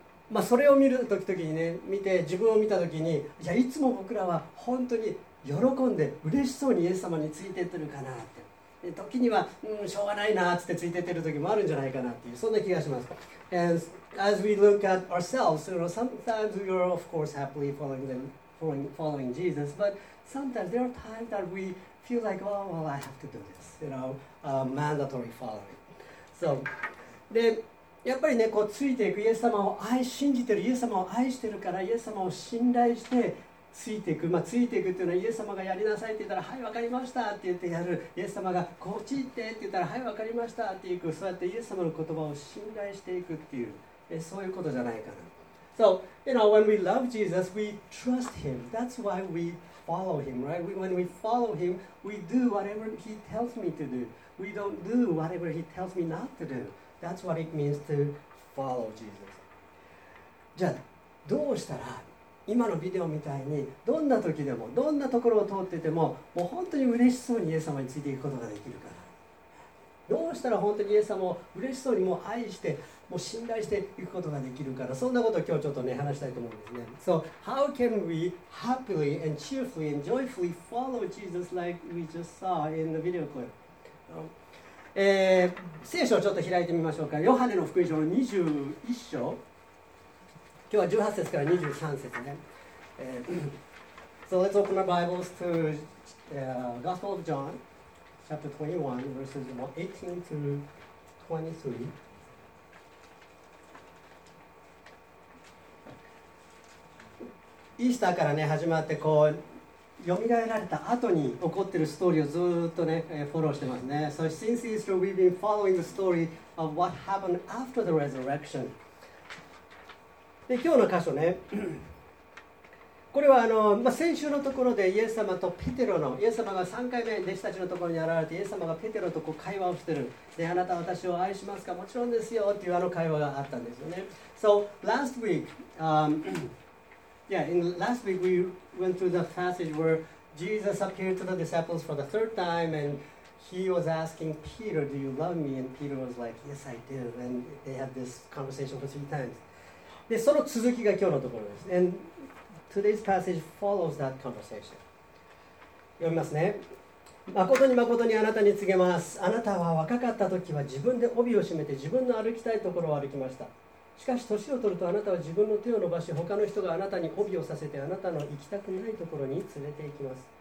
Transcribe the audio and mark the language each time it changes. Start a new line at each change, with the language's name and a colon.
Japanese: まあそれを見るときにね、見て自分を見たときに、いやいつも僕らは本当に喜んで嬉しそうにイエス様についていってるかなって。時には、しょうがないなーってついていってる時もあるんじゃないかなっていう、そんな気がします。
English: And as we look at ourselves, you know, sometimes we are of course happily following Jesus, but sometimes there are times that we feel like, oh, well, I have to do this, you know, mandatory following.
Japanese: So, で、やっぱりね、こうついていく、イエス様を愛、信じてる、イエス様を愛してるから、イエス様を信頼して、ついていく、まあ、ついていくっていうのはイエス様がやりなさいって言ったらはいわかりましたって言ってやる、イエス様がこっち行ってって言ったらはいわかりましたっていく、そうやってイエス様の言葉を信頼していくっていう、そういうことじゃないかな。
English: So, you know, when we love Jesus, we trust him. That's why we follow him, right? When we follow him, we do whatever he tells me to do. We don't do whatever he tells me not to do. That's what it means to follow Jesus.
Japanese: じゃあどうしたら今のビデオみたいにどんな時でもどんなところを通っていてももう本当に嬉しそうにイエス様についていくことができるから、どうしたら本当にイエス様を嬉しそうにもう愛してもう信頼していくことができるから、そんなことを今日ちょっとね話したいと思うんですね。
English: So how can we happily and cheerfully and joyfully follow Jesus like we just saw in the video clip?
Japanese: 聖書をちょっと開いてみましょうか。ヨハネの福音書の21章、今日は18節から23節ね。
English: So let's open our Bibles to Gospel of John, chapter 21, verses 18 to 23.
Japanese: イースターからね始まってこう蘇られた後に起こってるストーリーをずっとねフォローしてますね。
English: So since Easter, we've been following the story of what happened after the resurrection.
Japanese: で今日の箇所ね、これはあの、まあ、先週のところでイエス様とペテロの、イエス様が3回目弟子たちのところに現れて、イエス様がペテロとこう会話をしている。で、あなたは私を愛しますか？もちろんですよ、というあの会話があったんですよね。
English: So, last week, in last week we went through the passage where Jesus appeared to the disciples for the third time and he was asking Peter, do you love me? And Peter was like, yes, I do. And they had this conversation for three times.
Japanese: で、その続きが今日のところです。
English: And today's passage follows that conversation.
Japanese: 読みますね。誠に誠にあなたに告げます。あなたは若かった時は自分で帯を締めて自分の歩きたいところを歩きました。しかし年を取るとあなたは自分の手を伸ばし他の人があなたに帯をさせてあなたの行きたくないところに連れて行きます。